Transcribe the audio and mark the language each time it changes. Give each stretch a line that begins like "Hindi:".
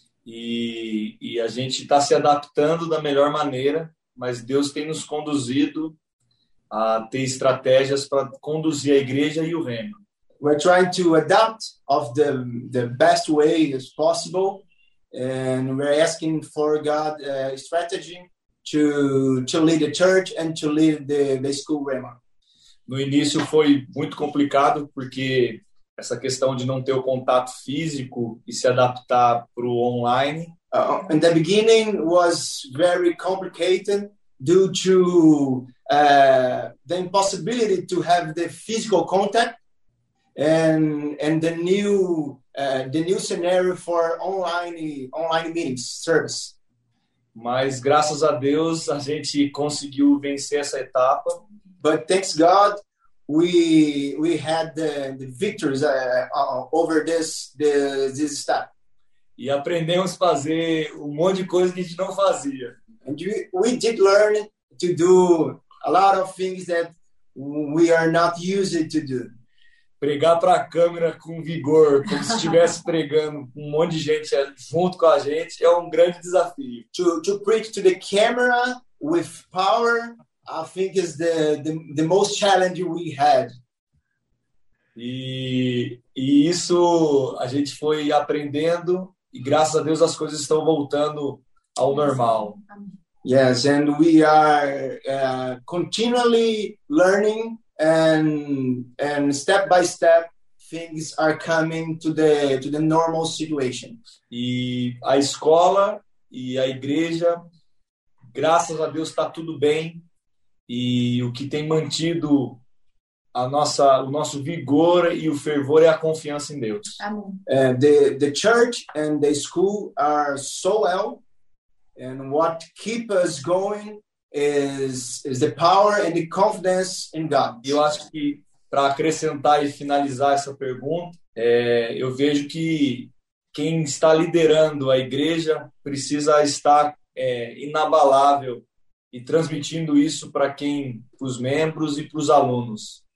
Portuguese: E a gente está se adaptando da melhor maneira, mas Deus tem nos conduzido a ter estratégias para conduzir a igreja e o reino.
English: We're trying to adapt of the best way as possible, and we're asking for God strategy to lead the church and to lead the school Rema.
Portuguese: No início foi muito complicado porque essa questão de não ter o contato físico e se adaptar pro online.
English: In the beginning was very complicated due to the impossibility to have the physical contact and the new scenario for online meetings service.
Portuguese: Mas graças a Deus a gente conseguiu vencer essa etapa.
English: But thanks God, we had the victories over this step.
Portuguese: E aprendemos a fazer um monte de coisa que a gente não fazia.
English: And we did learn to do a lot of things that we are not used to do.
Portuguese: Pregar para a câmera com vigor, como se estivesse pregando um monte de gente junto com a gente, é um grande desafio.
English: To preach to the camera with power, I think is the most challenge we had.
Portuguese: E isso a gente foi aprendendo e graças a Deus as coisas estão voltando ao normal.
English: Yes, and we are continually learning. And step by step, things are coming to the normal situation.
Portuguese: E a escola e a igreja, graças a Deus, está tudo bem. E o que tem mantido o nosso vigor e o fervor é a confiança em Deus. Amém.
English: The church and the school are so well. And what keeps us going is the power and the confidence in God.
Portuguese: Eu acho que para acrescentar e finalizar essa pergunta, eu vejo que quem está liderando a igreja precisa estar inabalável e transmitindo isso para quem, para os membros e para os alunos.